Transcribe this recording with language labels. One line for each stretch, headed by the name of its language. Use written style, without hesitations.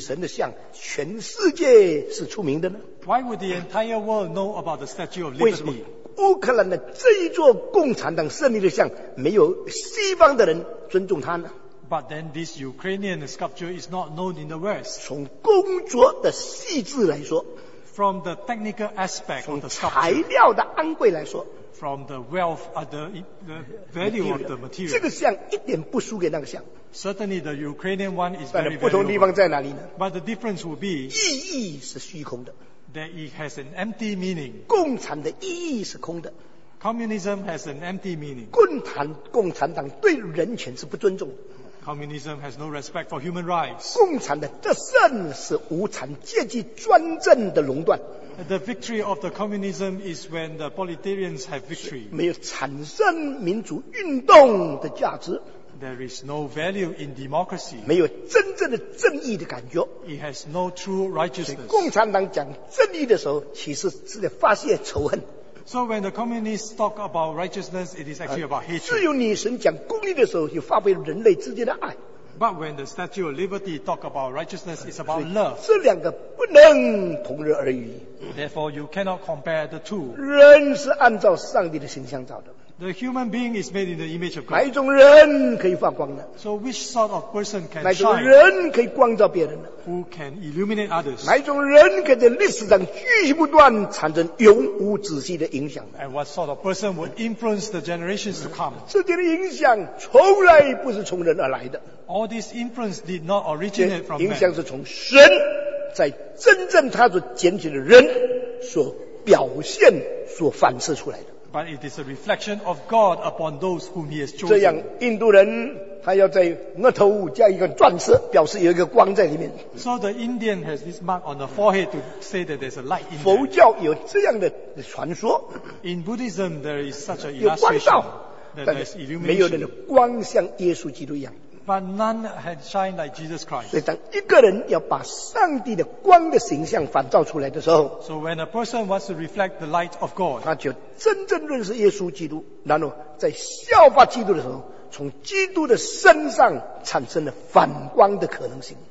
Chinese: 为什么纽约的那个自由女神的像全世界是出名的呢？
English: Why would the entire world know about the Statue of Liberty？
Chinese: 为什么？乌克兰的这一座共产党胜利的像，没有西方的人尊重它呢？
English: But then this Ukrainian sculpture is not known in the West.
Chinese: 从工作的细致来说，
English: From the technical aspect of the sculpture，
Chinese: 从材料的昂贵来说，
English: From the wealth of the value of the material，
Chinese: 这个像一点不输给那个像。
English: Certainly the Ukrainian one is very valuable.
Chinese: 但不同地方在哪里呢？
English: But the difference will be，
Chinese: 意义是虚空的。
English: That it has an empty meaning.
Chinese: 共产的意义是空的。
English: Communism has an empty meaning.
Chinese: 共产党对人权是不尊重的。
English: Communism has no respect for human rights.
Chinese: 共产的得胜是无产阶级专政的垄断。
English: The victory of the communism is when the proletarians have victory.
Chinese: 没有产生民主运动的价值。
English: There is no value in democracy.
Chinese: 没有真正的正义的感觉。
English: It has no true righteousness.
Chinese: 所以共产党讲正义的时候，其实是在发泄仇恨。
English: So when the communists talk about righteousness, it is actually about hatred.
Chinese: 只有你神讲公义的时候，就发挥人类之间的爱。
English: But when the Statue of Liberty talk about righteousness, it's about love.
Chinese: 这两个不能同日而语。
English: Therefore, you cannot compare the two.
Chinese: 人是按照上帝的形象造的。
English: The human being is made in the image of God.
Chinese: 哪一种人可以发光呢？
English: So which sort of person can shine?
Chinese: 哪种人可以光照别人呢？
English: Who can illuminate others?
Chinese: 哪一种人可以在历史上继续不断产生永无止息的影响呢？
English: And what sort of person would influence the generations to come?
Chinese: 这点的影响从来不是从人而来的。
English: All this influence did not originate from man.
Chinese: 影响是从神在真正他所拣选的人所表现所反射出来的。
English: But it is a reflection of God upon those whom He has chosen.
Chinese: 这样，印度人他要在额头加一个钻石，表示有一个光在里面。
English: So the Indian has this mark on the forehead to say that there's a light in there.
Chinese: 佛教有这样的传说。
English: In Buddhism, there is such an illustration.
Chinese: 但是没有人的光像耶稣基督一样。
English: But none had shined like Jesus Christ.
Chinese: 所以当一个人要把上帝的光的形象反照出来的时候，
English: So when a person wants to reflect the light of God,
Chinese: 他就真正认识耶稣基督，然后在效法基督的时候，从基督的身上产生了反光的可能性。